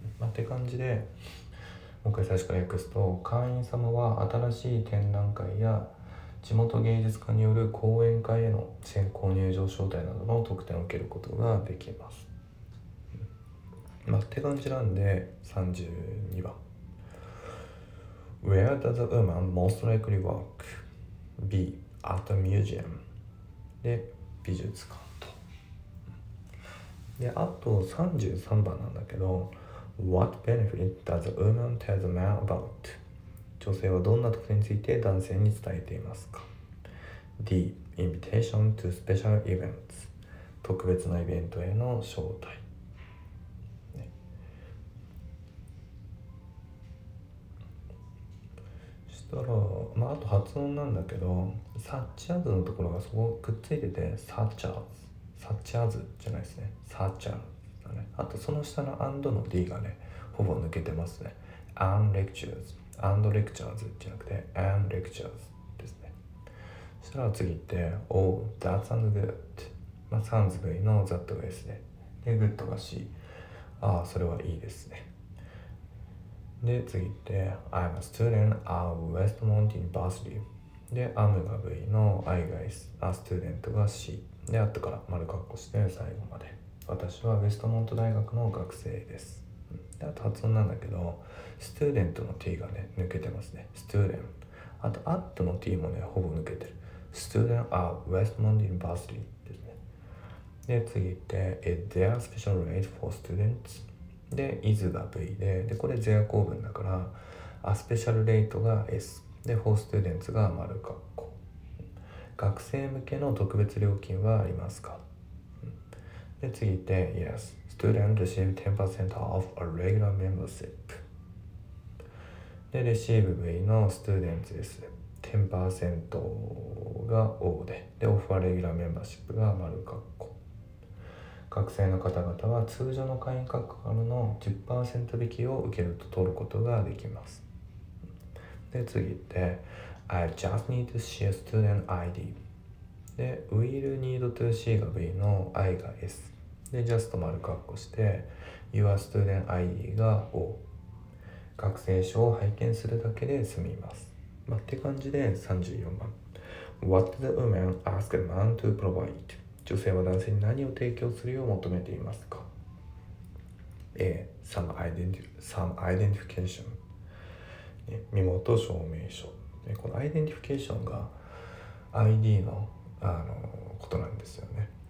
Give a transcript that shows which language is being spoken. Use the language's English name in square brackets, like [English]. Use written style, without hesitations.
[Japanese] まあ、って感じで、もう一回最初から訳すと、会員様は新しい展覧会や地元芸術家による講演会への先行入場招待などの特典を受けることができます。まあ、って感じなんで、32番。 [English] Where does a woman most likely work? B. At a museum. [Japanese] で、美術館と。で、あと33番なんだけど、 [English] What benefit does a woman tell the man about? [Japanese] 女性はどんな特典について男性に伝えていますか。 [English] D. Invitation to special events. [Japanese] 特別なイベントへの招待、ね、したら、まあ、あと発音なんだけど、 such as のところがそこくっついてて、 such as、 such as じゃないですね、 such as だね。あとその下の and の D がね、ほぼ抜けてますね。 [English] and lecturesand lectures [Japanese] じゃなくて [English] and lectures [Japanese] ですね。そしたら次行って [English] oh that sounds good、 [Japanese] まあ、sounds V の that が S で、 で good が C、 ああそれはいいですね。で次行って [English] I'm a student at Westmont University [Japanese] で am が V の I が S、 a student が C で、あとから丸括弧して最後まで、私は Westmont 大学の学生です。で、あと発音なんだけど、ステューデントの T がね、抜けてますね。ステューデント。あと、アットの T もね、ほぼ抜けてる。ステューデント、ウェストモンド・ユニバーシティですね。 [English] で、次行って、Is there a special rate for students? [Japanese] で、is が V で、で、これ、ゼア公文だから、a special rate が S。で、for students が丸括弧。学生向けの特別料金はありますか? で、次行って、 [English] Yes. Student receive 10% off a regular membership. [Japanese] で、レシーブ V の Students です。 [English] 10% [Japanese] 10% が応募で、でオフはレギュラーメンバーシップが丸括弧。学生の方々は通常の会員価格からの 10% 引きを受けると取ることができます。で次って [English] I just need to see a student ID [Japanese] で [English] We'll need to see [Japanese] が V の I が S で just 丸括弧して Your student ID が O、 学生証を拝見するだけで済みます。まあ、って感じで34番、 [English] What did the woman ask a man to provide? [Japanese] 女性は男性に何を提供するよう求めていますか。 [English] A. Some identification、 [Japanese] ね、身元証明書、ね、このアイデンティフィケーションが ID の、 ことなんですよね。